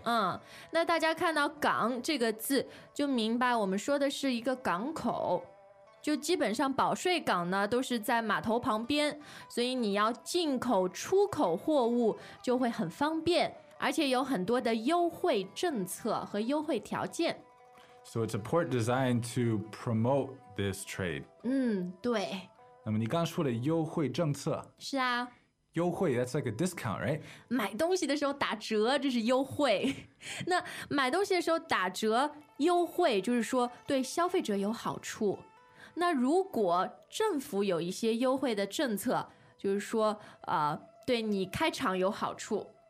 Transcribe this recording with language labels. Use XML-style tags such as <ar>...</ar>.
<zh>嗯，那大家看到"港"这个字，就明白我们说的是一个港口。就基本上保税港呢都是在码头旁边，所以你要进口出口货物就会很方便，而且有很多的优惠政策和优惠条件。</zh> <en>So it's a port designed to promote this trade.</en> <zh>嗯，对。那么你刚说的优惠政策。是啊。优惠</zh> <en>that's like a discount, right?</en> <zh>买东西的时候打折这是优惠。那买东西的时候打折优惠就是说对消费者有好处。那如果政府有一些优惠的政策，就是说，对你开厂有好处。</zh>